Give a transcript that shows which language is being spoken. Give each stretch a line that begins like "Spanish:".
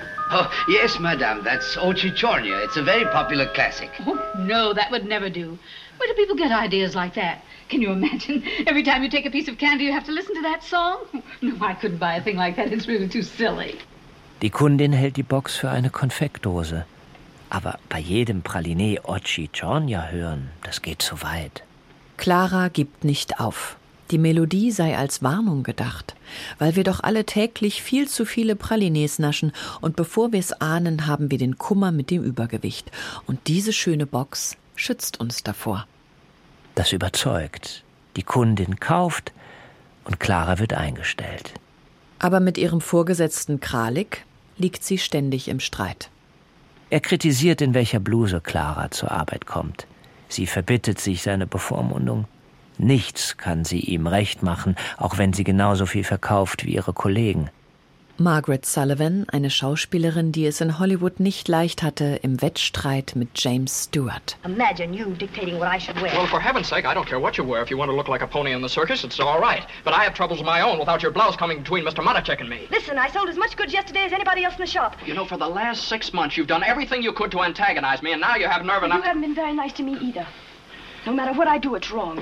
English: Oh, yes, madame, that's Ochichornia. It's a very popular classic. Oh, no, that would never do. Where do people get ideas like that? Can you imagine? Every time you take a piece of candy, you have to listen to that song? No, I couldn't buy a thing like that. It's really too silly.
German: Die Kundin hält die Box für eine Konfektdose. Aber bei jedem Praliné Ochichornia hören, das geht zu weit. Klara gibt nicht auf. Die Melodie sei als Warnung gedacht, weil wir doch alle täglich viel zu viele Pralinés naschen und bevor wir es ahnen, haben wir den Kummer mit dem Übergewicht. Und diese schöne Box schützt uns davor. Das überzeugt. Die Kundin kauft und Klara wird eingestellt. Aber mit ihrem Vorgesetzten Kralik liegt sie ständig im Streit. Er kritisiert, in welcher Bluse Klara zur Arbeit kommt. Sie verbittet sich seine Bevormundung. Nichts kann sie ihm recht machen, auch wenn sie genauso viel verkauft wie ihre Kollegen. Margaret Sullivan, eine Schauspielerin, die es in Hollywood nicht leicht hatte, im Wettstreit mit James Stewart.
English: Imagine you dictating what I should wear. Well, for heaven's sake, I don't care what you wear. If you want to look like a pony in the circus, it's all right. But I have troubles of my own without your blouse coming between Mr. Matuschek and me. Listen, I sold as much goods yesterday as anybody else in the shop. You know, for the last 6 months, you've done everything you could to antagonize me, and now you have nerve enough... You haven't been very nice to me either. No matter what I do, it's wrong.